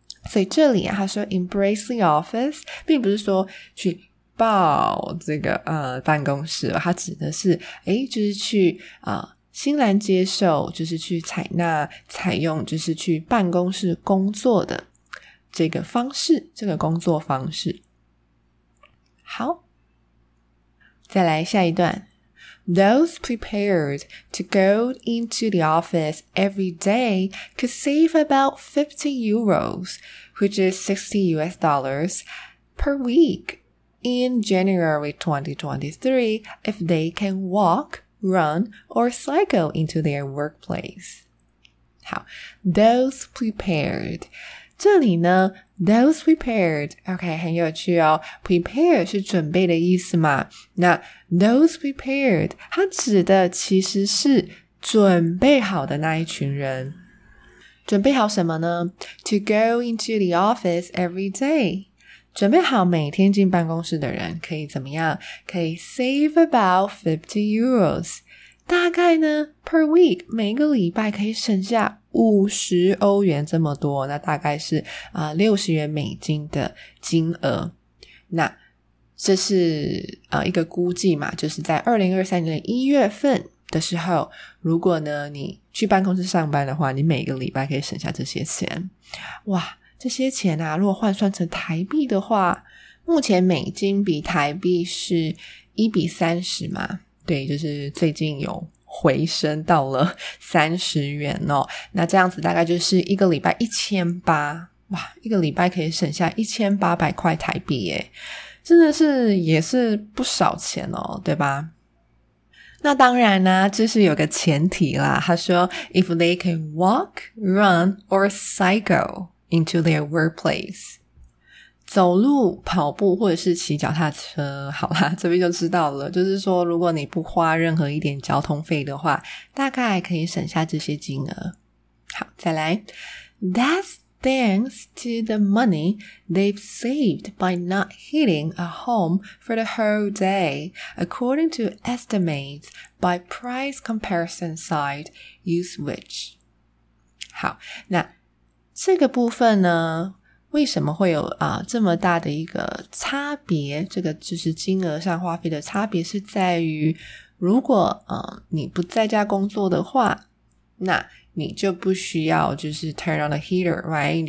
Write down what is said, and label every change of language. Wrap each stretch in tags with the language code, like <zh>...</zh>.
<zh>所以这里啊，他说</zh> <en>embrace the office,</en> <zh>并不是说去抱这个办公室，他指的是诶就是去欣然接受，就是去采纳采用，就是去办公室工作的这个方式，这个工作方式。好。再来下一段。</zh> <en>Those prepared to go into the office every day could save about 50 euros, which is $60 per week in January 2023 if they can walk, run, or cycle into their workplace. 好， those prepared.</en> <zh>这里呢，</zh> <en>those prepared,</en> <zh>OK, 很有趣哦， prepare 是准备的意思嘛，那</zh> <en>those prepared,</en> <zh>它指的其实是准备好的那一群人。准备好什么呢？</zh> <en>To go into the office every day,</en> <zh>准备好每天进办公室的人可以怎么样？可以</zh> <en>save about 50 euros。</en> <zh>大概呢 ,</zh> <en>per week,</en> <zh>每个礼拜可以省下50欧元这么多，那大概是60元美金的金额。那这是一个估计嘛，就是在2023年1月份的时候，如果呢你去办公室上班的话，你每个礼拜可以省下这些钱。哇，这些钱啊，如果换算成台币的话，目前美金比台币是1:30嘛。对，就是最近有回升到了30元哦。那这样子大概就是一个礼拜1800。哇，一个礼拜可以省下1800块台币耶。真的是也是不少钱哦，对吧？那当然呢，这是有个前提啦。他说</zh> <en>,if they can walk, run, or cycle into their workplace.</en> <zh>走路、跑步或者是骑脚踏车，好啦，这边就知道了。就是说，如果你不花任何一点交通费的话，大概可以省下这些金额。好，再来。</zh> <en>That's thanks to the money they've saved by not heating a home for the whole day, according to estimates by price comparison site Uswitch.</en> <zh>好，那这个部分呢，为什么会有这么大的一个差别，这个就是金额上花费的差别，是在于如果你不在家工作的话，那你就不需要就是</zh> <en>turn on the heater, right?</en>